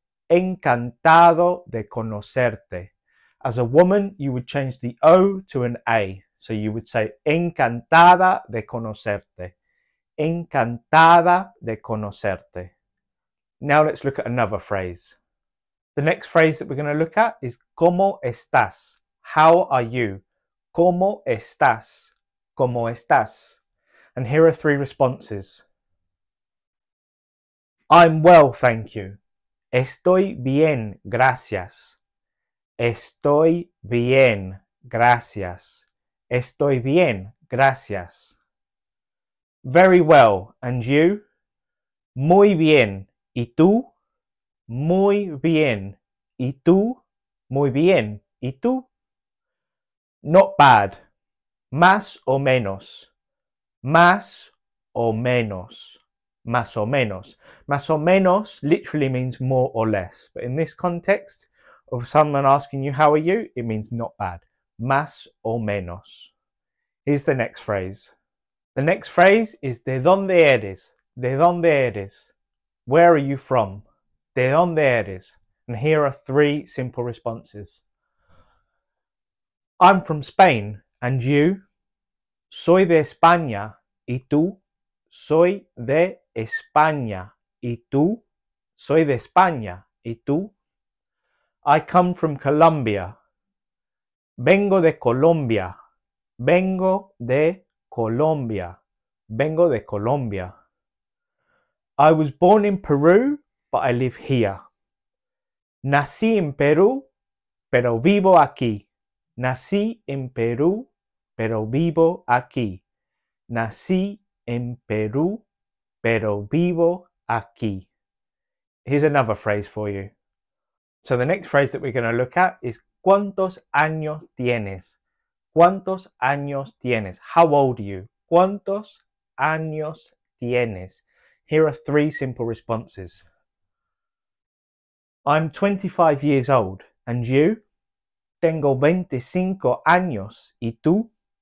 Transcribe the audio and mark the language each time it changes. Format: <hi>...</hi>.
<es>Encantado de conocerte.</es> <en>As a woman, you would change the O to an A. So you would say, encantada de conocerte. Encantada de conocerte. Now let's look at another phrase. The next phrase that we're going to look at is ¿Cómo estás?</en> <es>How are you? ¿Cómo estás? ¿Cómo estás?</es> <en>And here are three responses. I'm well, thank you. Estoy bien, gracias.</en> <es>Estoy bien, gracias.</es> <en>Estoy bien, gracias. Very well, and you?</en> <es>Muy bien, ¿y tú? Muy bien, ¿y tú? Muy bien, ¿y tú? Not bad, más o menos, más o menos, más o menos.</es> <en>Más o menos literally means more or less, but in this context of someone asking you how are you, it means not bad, más o menos. Here's the next phrase. The next phrase is ¿De dónde eres?</en> <es>¿De dónde eres? Where are you from? ¿De dónde eres?</es> <en>And here are three simple responses. I'm from Spain. And you? Soy de España. ¿Y tú?</en> <es>Soy de España. ¿Y tú? Soy de España. ¿Y tú? I come from Colombia. Vengo de Colombia. Vengo de Colombia. Vengo de Colombia.</es> <en>I was born in Peru, but I live here.</en> <es>Nací en Perú, pero vivo aquí. Nací en Perú, pero vivo aquí. Nací en Perú, pero vivo aquí.</es> <en>Here's another phrase for you. So the next phrase that we're going to look at is ¿Cuántos años tienes?</en> <es>¿Cuántos años tienes? How old are you? ¿Cuántos años tienes?</es> <en>Here are three simple responses. I'm 25 years old. And you? Tengo 25 años. ¿Y tú?</en>